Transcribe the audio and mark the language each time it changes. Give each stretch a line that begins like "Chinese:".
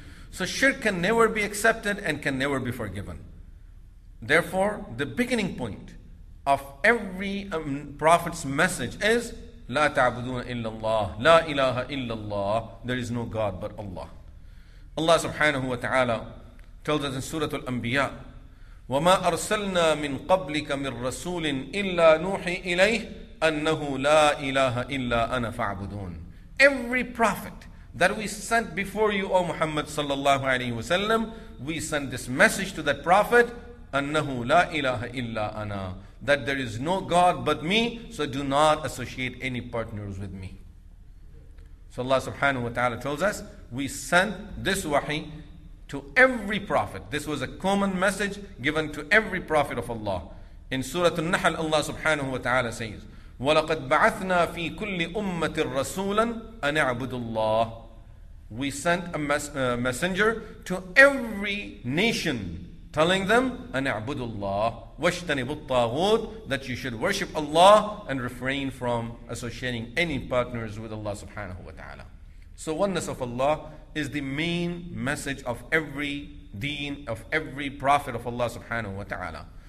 English: So shirk can never be accepted and can never be forgiven. Therefore, the beginning point of every prophet's message is لَا تَعْبُدُونَ إِلَّا اللَّهِ لَا إِلَهَ إِلَّا اللَّهِ. There is no God but Allah.
Arabic: Allah subhanahu wa ta'ala tells us in Surah Al-Anbiya, وَمَا أَرْسَلْنَا مِنْ قَبْلِكَ مِنْ رَسُولٍ إِلَّا نُوحِي إِلَيْهِ أَنَّهُ لَا إِلَهَ إِلَّا أَنَا فَعْبُدُونَ.
English: Every prophet that we sent before you, O Muhammad sallallahu alayhi wa sallam, we sent this message to that prophet, أَنَّهُ لَا إِلَهَ إِلَّا أَنَا, that there is no God but me, so do not associate any partners with me. So Allah subhanahu wa ta'ala tells us, we sent this wahi to every prophet. This was a common message given to every prophet of Allah. In Surah An-Nahl, Allah subhanahu wa ta'ala says, وَلَقَدْ بَعَثْنَا فِي كُلِّ أُمَّةٍ رَسُولًا أَنِ اعْبُدُ اللَّهِ. We sent a messenger to every nation telling them, أَنِ اعْبُدُ اللَّهِ وَاشْتَنِبُ الطَّاغُوتِ, that you should worship Allah and refrain from associating any partners with Allah subhanahu wa ta'ala. So oneness of Allah is the main message of every deen, of every prophet of Allah subhanahu wa ta'ala.